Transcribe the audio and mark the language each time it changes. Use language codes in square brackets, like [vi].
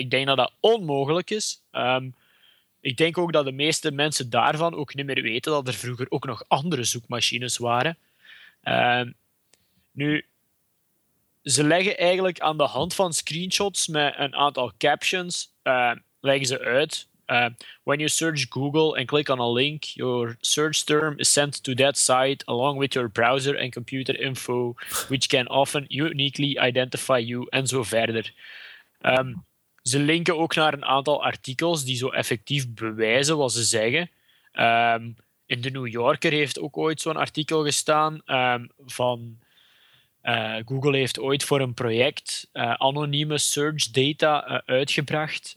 [nl] Ik denk dat dat onmogelijk is. Ik denk ook dat de meeste mensen daarvan ook niet meer weten dat er vroeger ook nog andere zoekmachines waren. Nu, ze leggen eigenlijk aan de hand van screenshots met een aantal captions, leggen ze uit... [en] when you search Google and click on a link, your search term is sent to that site along with your browser and computer info, which can often uniquely identify you, [nl] en zo verder. Ze linken ook naar een aantal artikels die zo effectief bewijzen wat ze zeggen. In de New Yorker heeft ook ooit zo'n artikel gestaan van... Google heeft ooit voor een project anonieme search data uitgebracht.